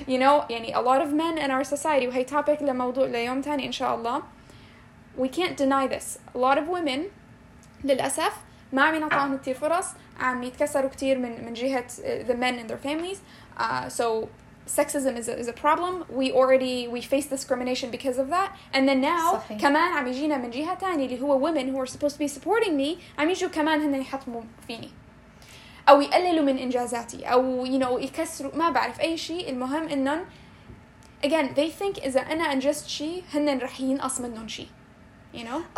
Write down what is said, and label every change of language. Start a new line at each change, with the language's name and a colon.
English: You know, يعني a lot of men in our society.
Arabic: وهي topic لموضوع ليوم تاني إن شاء الله.
English: We can't deny this. A lot of women,
Arabic: للأسف, ما عم ينعطاهم كتير فرص. عم يتكسروا كتير من جهة
English: the men in their families. So sexism is a problem. We face discrimination because of that. And then now,
Arabic: صحيح. كمان عم يجينا من جهة تاني اللي هو
English: women who are supposed to be supporting me.
Arabic: عم يجوا كمان هن يحطموا فيني. أو يقللوا من إنجازاتي أو
English: you know
Arabic: يكسروا ما بعرف أي شيء. المهم إنهم
English: again they think
Arabic: إذا أنا أنجزت شيء هن رح ينقص منهم شيء
English: you know،